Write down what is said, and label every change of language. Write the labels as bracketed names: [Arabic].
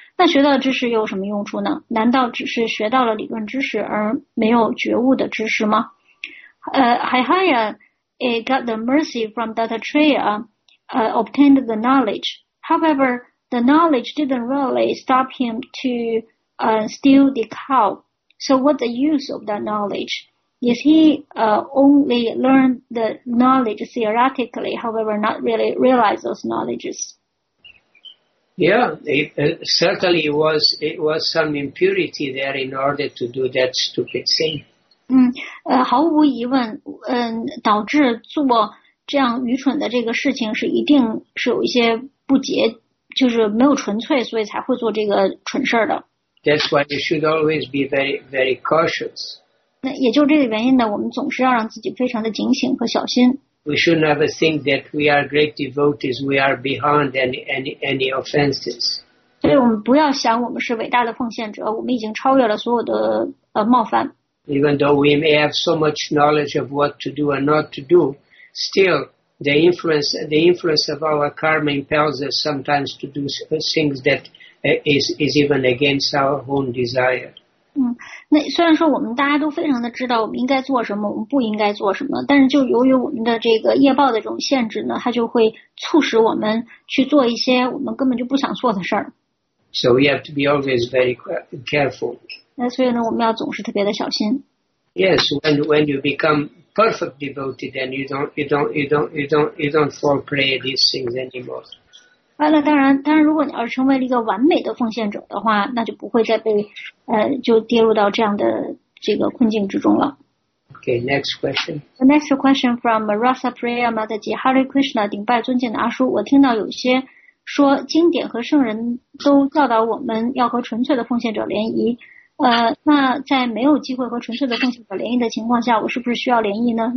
[Chinese] 那学到的知识有什么用处呢？难道只是学到了理论知识而没有觉悟的知识吗？ [English] Haihaya got the mercy from Dattatreya, obtained the knowledge. However, the knowledge didn't really stop him to steal the cow. So what's the use of that knowledge? Is he only learned the knowledge theoretically, however, not really realize those knowledges? Yeah, certainly it was some impurity there in order to do that stupid thing. [Chinese] 毫无疑问，导致做这样愚蠢的这个事情是一定是有一些不洁，就是没有纯粹，所以才会做这个蠢事的。 [English] That's why you should always be very, very cautious. [Chinese] 那也就这个原因呢，我们总是要让自己非常的警醒和小心。 [English] We should never think that we are great devotees. We are beyond any offenses. [Chinese] 所以我们不要想我们是伟大的奉献者，我们已经超越了所有的冒犯。 [English] Even though we may have so much knowledge of what to do and not to do, still the influence of our karma impels us sometimes to do things that. Is even against our own desire. [Chinese] 那虽然说我们大家都非常的知道我们应该做什么，我们不应该做什么，但是就由于我们的这个业报的这种限制呢，它就会促使我们去做一些我们根本就不想做的事儿。 [English] So we have to be always very careful. [Chinese] 那所以呢，我们要总是特别的小心。 [English] Yes, when you become perfect devoted, then you don't fall prey to these things anymore. [Chinese] 完了，当然，如果你要是成为了一个完美的奉献者的话，那就不会再被就跌入到这样的这个困境之中了。 [English] Okay, next question. The next question from [Chinese] Rasa Priya Mataji, Hare Krishna, 顶拜尊敬的阿叔，我听到有些说经典和圣人都教导我们要和纯粹的奉献者联谊，那在没有机会和纯粹的奉献者联谊的情况下，我是不是需要联谊呢？